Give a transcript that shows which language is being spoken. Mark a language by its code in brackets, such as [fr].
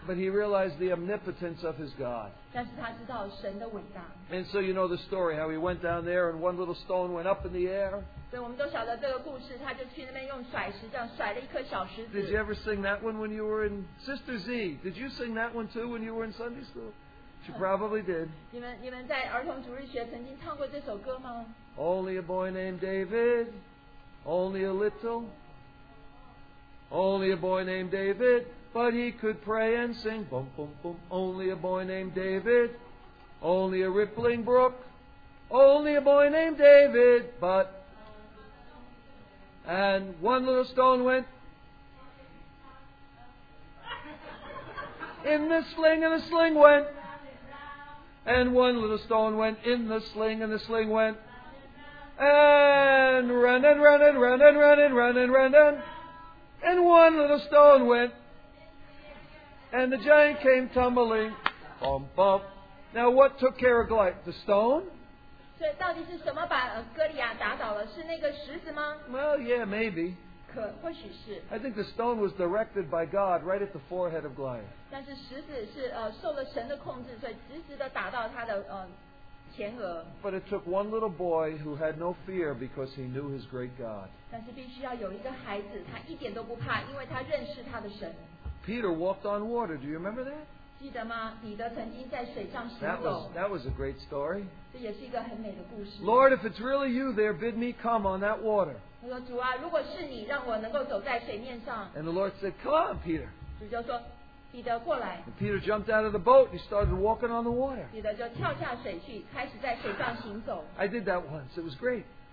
[en] but he realized the omnipotence of his God. And so you know the story, how he went down there and one little stone went up in the air. [zh] 所以我们都晓得这个故事, 他就去那边用甩石, 这样甩了一颗小石子。 [en] Did you ever sing that one when you were in Sister Z? Did you sing that one too when you were in Sunday school? She probably did. [zh] 你们在儿童主日学曾经唱过这首歌吗? [en] Only a boy named David, only a little, only a boy named David, but he could pray and sing, boom, boom, boom. Only a boy named David, only a rippling brook, only a boy named David, but... And one little stone went... In the sling, and the sling went... And one little stone went in the sling, and the sling went... And run and run and run and run and run and run and... And one little stone went, and the giant came tumbling, bump, bump. Now what took care of Goliath? The stone? [zh] 所以到底是什么把哥利亚打倒了？是那个石子吗？ [en] Well, yeah, maybe. [zh] 可或许是。 [en] I think the stone was directed by God right at the forehead of Goliath. [zh] 但是石子是受了神的控制，所以直直的打到他的前额。 [en] But it took one little boy who had no fear because he knew his great God. [zh] 但是必须要有一个孩子，他一点都不怕，因为他认识他的神。 [en] Peter walked on water. Do you remember that? [zh] 记得吗?彼得曾经在水上行走。 [en] That was a great story. [zh] 这也是一个很美的故事。 [en] Lord, if it's really you there, bid me come on that water. [zh] 他说, 主啊, 如果是你, [en] and the Lord said, come on, Peter. [zh] 主就说, [en] And Peter jumped out of the boat and he started walking on the water. I did that once. It was great.